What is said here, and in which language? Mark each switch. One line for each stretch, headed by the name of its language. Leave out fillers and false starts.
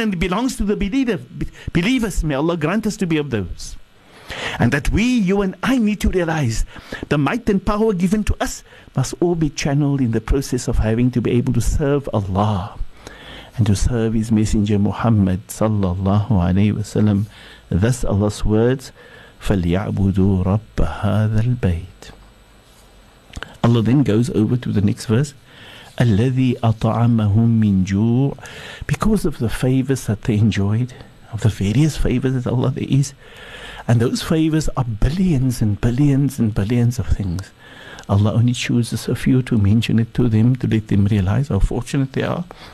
English: And it belongs to the believers. May Allah grant us to be of those. And that we, you and I, need to realize the might and power given to us must all be channeled in the process of having to be able to serve Allah and to serve his messenger Muhammad sallallahu alayhi wa sallam. Thus Allah's words,
Arabic: فَلْيَعْبُدُوا رَبَّ هَذَا الْبَيْتِ.
English: Allah then goes over to the next verse.
Arabic: أَلَّذِي أَطَعَمَهُمْ مِنْ جُوعٍ.
English: Because of the favors that they enjoyed, of the various favors that Allah there is, and those favors are billions and billions and billions of things. Allah only chooses a few to mention it to them, to let them realize how fortunate they are.